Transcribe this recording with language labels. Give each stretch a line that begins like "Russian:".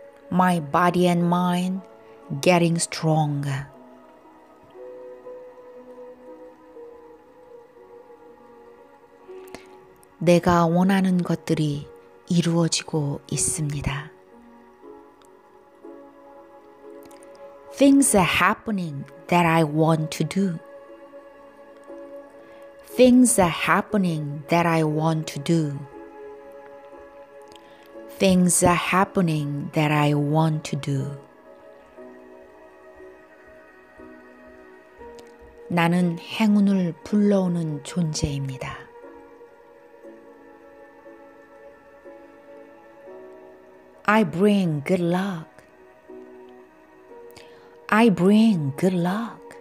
English: My body and mind getting stronger.
Korean: 내가 원하는 것들이 이루어지고 있습니다.
English: Things are happening that I want to do. Things are happening that I want to do. Things are happening that I want to do.
Korean: 나는 행운을 불러오는 존재입니다.
English: I bring good luck. I bring good luck.